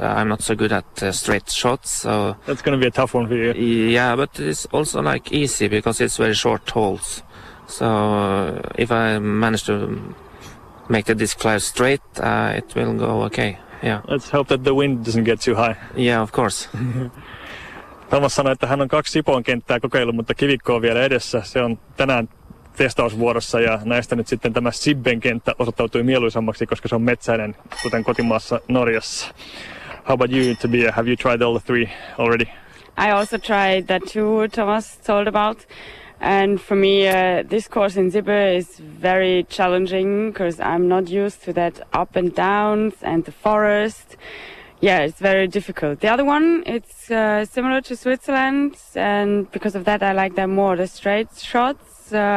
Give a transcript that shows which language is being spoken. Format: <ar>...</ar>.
<en>I'm not so good at straight shots. So that's going to be a tough one for you. Yeah, but it's also like easy because it's very short holes. So if I manage to make the disc fly straight, it will go okay. Yeah. Let's hope that the wind doesn't get too high. Yeah, of course.</en> <fi>Thomas sanoi, että hän on kaksi Sipoon kenttää kokeillut, mutta Kivikko on vielä edessä. Se on tänään testausvuorossa ja näistä nyt sitten tämä Sibben kenttä osoittautui mieluisammaksi, koska se on metsäinen, kuten kotimaassa Norjassa.</fi> <en>How about you, Tobias? Have you tried all the three already? I also tried the two Thomas told about. And for me, this course in Sibbe is very challenging because I'm not used to that up and downs and the forest. Yeah, it's very difficult. The other one, it's similar to Switzerland, and because of that, I like them more, the straight shots.</en>